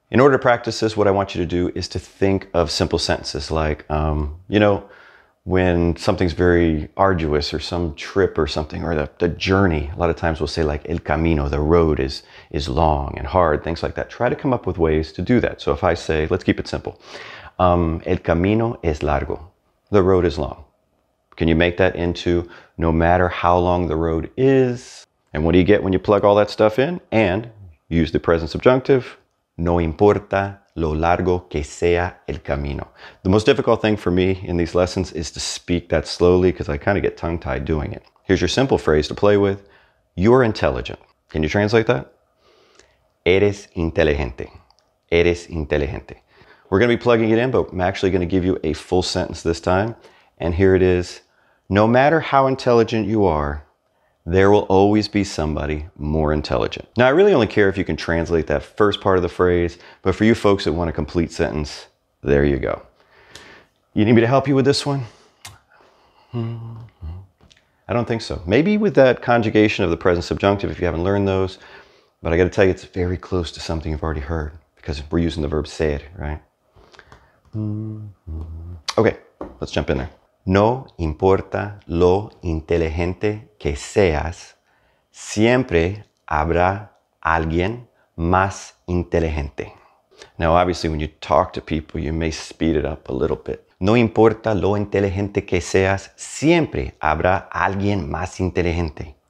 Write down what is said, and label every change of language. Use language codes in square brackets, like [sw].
[en] In order to practice this, what I want you to do is to think of simple sentences like, you know, when something's very arduous or some trip or something, or the journey, a lot of times we'll say like [es] el camino, [en] the road is long and hard, things like that. Try to come up with ways to do that. So if I say, let's keep it simple. [es] El camino es largo. [en] The road is long. Can you make that into no matter how long the road is? And what do you get when you plug all that stuff in? And use the present subjunctive. [es] No importa lo largo que sea el camino. [en] The most difficult thing for me in these lessons is to speak that slowly because I kind of get tongue-tied doing it. Here's your simple phrase to play with. You're intelligent. Can you translate that? [es] Eres inteligente. Eres inteligente. [en] We're going to be plugging it in, but I'm actually going to give you a full sentence this time. And here it is. No matter how intelligent you are, there will always be somebody more intelligent. Now, I really only care if you can translate that first part of the phrase, but for you folks that want a complete sentence, there you go. You need me to help you with this one? I don't think so. Maybe with that conjugation of the present subjunctive, if you haven't learned those, but I got to tell you, it's very close to something you've already heard because we're using the verb ser, right? Okay, let's jump in there. [es] No importa lo inteligente que seas, siempre habrá alguien más inteligente. [en] Now, obviously, when you talk to people, you may speed it up a little bit. [es] No importa lo inteligente que seas, siempre habrá alguien más inteligente.